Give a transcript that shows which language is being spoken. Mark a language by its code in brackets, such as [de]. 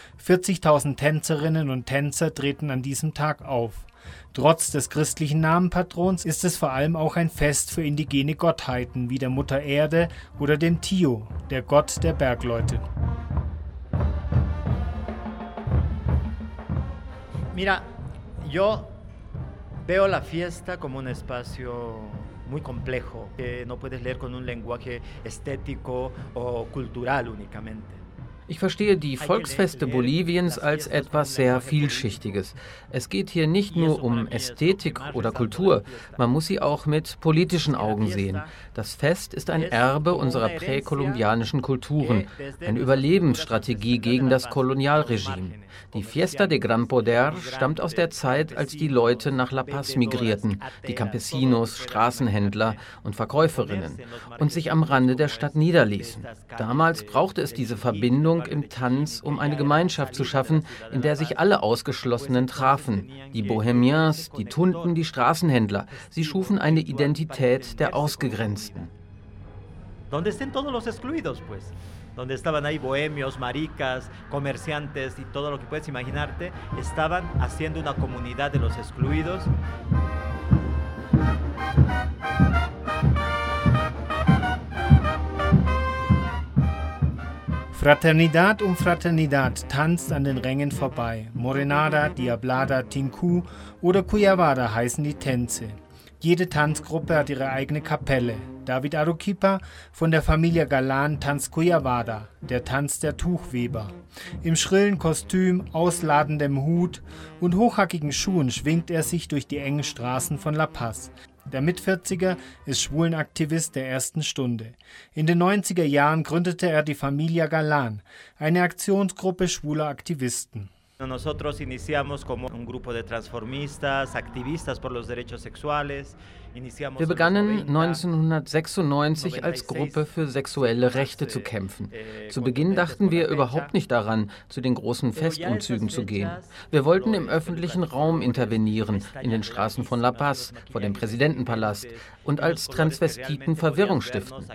[de] 40.000 Tänzerinnen und Tänzer treten an diesem Tag auf. Trotz des christlichen Namenpatrons ist es vor allem auch ein Fest für indigene Gottheiten wie der Mutter Erde oder dem Tio, der Gott der Bergleute. [es] Mira, yo veo la fiesta como un espacio muy complejo, que no puedes leer con un lenguaje estético o cultural únicamente. [de] Ich verstehe die Volksfeste Boliviens als etwas sehr Vielschichtiges. Es geht hier nicht nur um Ästhetik oder Kultur, man muss sie auch mit politischen Augen sehen. Das Fest ist ein Erbe unserer präkolumbianischen Kulturen, eine Überlebensstrategie gegen das Kolonialregime. Die Fiesta de Gran Poder stammt aus der Zeit, als die Leute nach La Paz migrierten, die Campesinos, Straßenhändler und Verkäuferinnen, und sich am Rande der Stadt niederließen. Damals brauchte es diese Verbindung im Tanz, um eine Gemeinschaft zu schaffen, in der sich alle Ausgeschlossenen trafen. Die Bohemians, die Tunden, die Straßenhändler. Sie schufen eine Identität der Ausgegrenzten. [es] ¿Dónde están todos los excluidos, pues? Donde estaban ahí bohemios, maricas, comerciantes y todo lo que puedes imaginarte, estaban haciendo una comunidad de los excluidos. [de] Fraternidad um Fraternidad tanzt an den Rängen vorbei. Morenada, Diablada, Tinku oder Cuyavada heißen die Tänze. Jede Tanzgruppe hat ihre eigene Kapelle. David Arequipa von der Familie Galan tanzt Cuyavada, der Tanz der Tuchweber. Im schrillen Kostüm, ausladendem Hut und hochhackigen Schuhen schwingt er sich durch die engen Straßen von La Paz. Der Mitvierziger ist Schwulenaktivist der ersten Stunde. In den 90er Jahren gründete er die Familie Galan, eine Aktionsgruppe schwuler Aktivisten. [es] Nosotros iniciamos como un grupo de transformistas, activistas por los derechos sexuales. [de] Wir begannen 1996 als Gruppe für sexuelle Rechte zu kämpfen. Zu Beginn dachten wir überhaupt nicht daran, zu den großen Festumzügen zu gehen. Wir wollten im öffentlichen Raum intervenieren, in den Straßen von La Paz, vor dem Präsidentenpalast und als Transvestiten Verwirrung stiften.